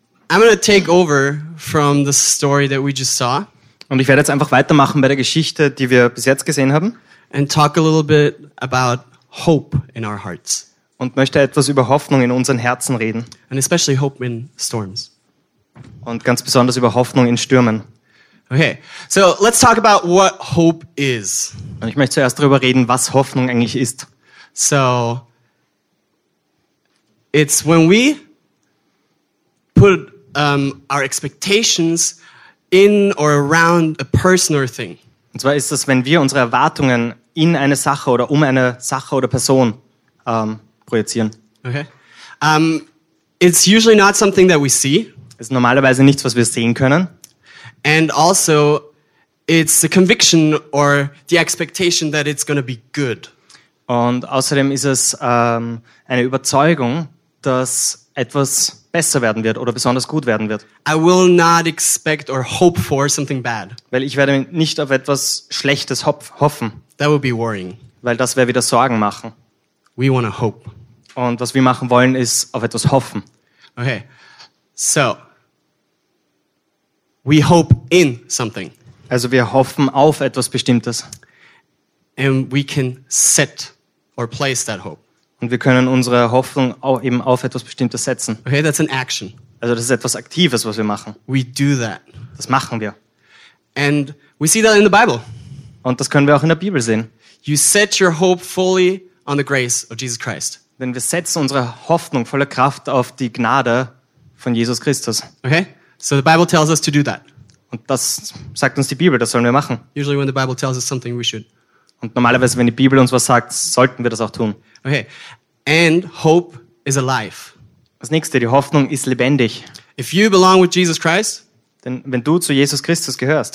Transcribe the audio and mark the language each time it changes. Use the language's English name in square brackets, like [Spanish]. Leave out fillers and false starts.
[English] I'm going to take over from the story that we just saw. [German] Und ich werde jetzt einfach weitermachen bei der Geschichte, die wir bis jetzt gesehen haben. [English] And talk a little bit about hope in our hearts. [German] Und möchte etwas über Hoffnung in unseren Herzen reden. [English] And especially hope in storms. [German] Und ganz besonders über Hoffnung in Stürmen. [English] Okay, so let's talk about what hope is. [German] Und ich möchte zuerst darüber reden, was Hoffnung eigentlich ist. [English] So, it's when we put our expectations in or around a person or thing. [German] Und zwar ist das, wenn wir unsere Erwartungen in eine Sache oder um eine Sache oder Person projizieren. [English] Okay. It's usually not something that we see. [German] Ist normalerweise nichts, was wir sehen können. [English] And also, it's the conviction or the expectation that it's going to be good. [German] Und außerdem ist es eine Überzeugung, dass etwas besser werden wird oder besonders gut werden wird. [English] I will not expect or hope for something bad. [German] Weil ich werde nicht auf etwas Schlechtes hoffen. [English] That would be worrying. [German] Weil das wäre wieder Sorgen machen. [English] We want to hope. [German] Und was wir machen wollen, ist auf etwas hoffen. [English] Okay, so we hope in something. [German] Also wir hoffen auf etwas Bestimmtes. [English] And we can set or place that hope. [German] Und wir können unsere Hoffnung auch eben auf etwas Bestimmtes setzen. [English] Okay, that's an action. [German] Also das ist etwas Aktives, was wir machen. [English] We do that. [German] Das machen wir. [English] And we see that in the Bible. [German] Und das können wir auch in der Bibel sehen. [English] You set your hope fully on the grace of Jesus Christ. [German] Denn wir setzen unsere Hoffnung voller Kraft auf die Gnade von Jesus Christus. [English] Okay, so the Bible tells us to do that. [German] Und das sagt uns die Bibel, das sollen wir machen. [English] Usually when the Bible tells us something, we should. [German] Und normalerweise, wenn die Bibel uns was sagt, sollten wir das auch tun. [English] Okay. And hope is alive. [German] Das nächste, die Hoffnung ist lebendig. [English] If you belong with Jesus Christ, [German] denn wenn du zu Jesus Christus gehörst,